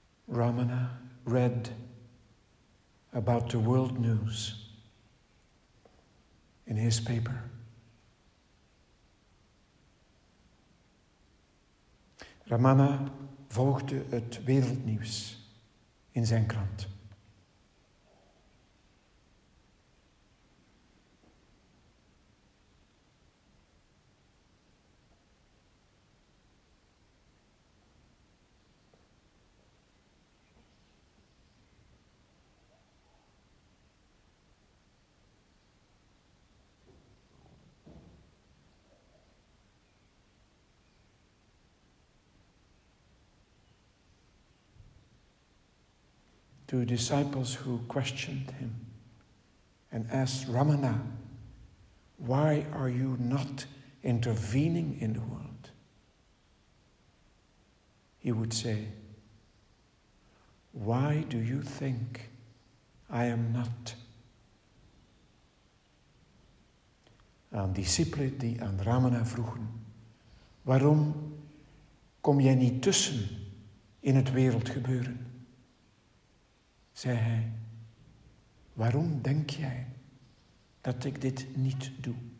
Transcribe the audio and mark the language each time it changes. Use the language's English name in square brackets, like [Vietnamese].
[English] Ramana read about the world news in his paper. [Dutch] Ramana volgde het wereldnieuws in zijn krant. [English] To disciples who questioned him and asked, Ramana, why are you not intervening in the world? He would say, why do you think I am not? [Dutch] Aan discipelen die aan Ramana vroegen, waarom kom jij niet tussen in het wereldgebeuren? Zei hij, waarom denk jij dat ik dit niet doe?